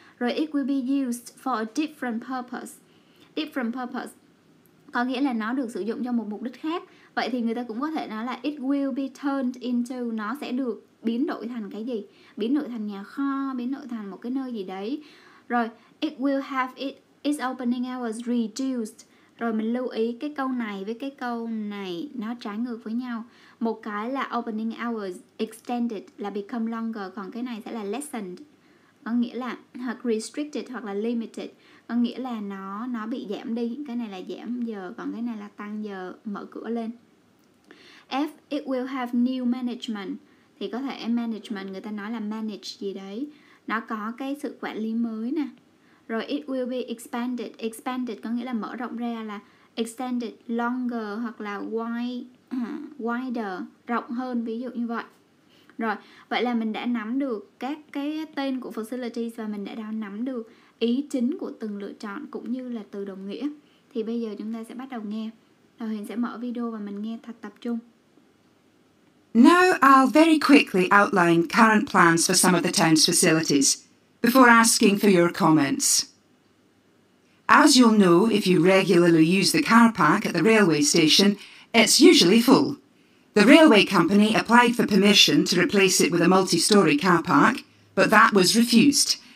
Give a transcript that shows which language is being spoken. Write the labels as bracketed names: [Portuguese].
[Vietnamese] Rồi [English] it will be used for a different purpose. [Vietnamese] Different purpose có nghĩa là nó được sử dụng cho một mục đích khác. Vậy thì người ta cũng có thể nói là [English] it will be turned into. [Vietnamese] Nó sẽ được biến đổi thành cái gì? Biến đổi thành nhà kho, biến đổi thành một cái nơi gì đấy. [English] Rồi it will have its opening hours reduced. [Vietnamese] Rồi mình lưu ý cái câu này với cái câu này nó trái ngược với nhau. Một cái là [English] opening hours extended [Vietnamese] là [English] become longer, [Vietnamese] còn cái này sẽ là lessened, có nghĩa là hoặc restricted hoặc là limited, có nghĩa là nó bị giảm đi. Cái này là giảm giờ, còn cái này là tăng giờ mở cửa lên. [English] F, it will have new management. [Vietnamese] Thì có thể management người ta nói là manage gì đấy, nó có cái sự quản lý mới nè. Rồi [English] it will be expanded. [Vietnamese] Expanded có nghĩa là mở rộng ra, là extended, longer hoặc là wider, rộng hơn, ví dụ như vậy. Rồi, vậy là mình đã nắm được các cái tên của facilities và mình đã nắm được ý chính của từng lựa chọn cũng như là từ đồng nghĩa. Thì bây giờ chúng ta sẽ bắt đầu nghe. Rồi Huyền sẽ mở video và mình nghe thật tập trung. [English] Now I'll very quickly outline current plans for some of the town's facilities before asking for your comments. As you'll know, if you regularly use the car park at the railway station, it's usually full. The railway company applied for permission to replace it with a multi-storey car park, but that was refused.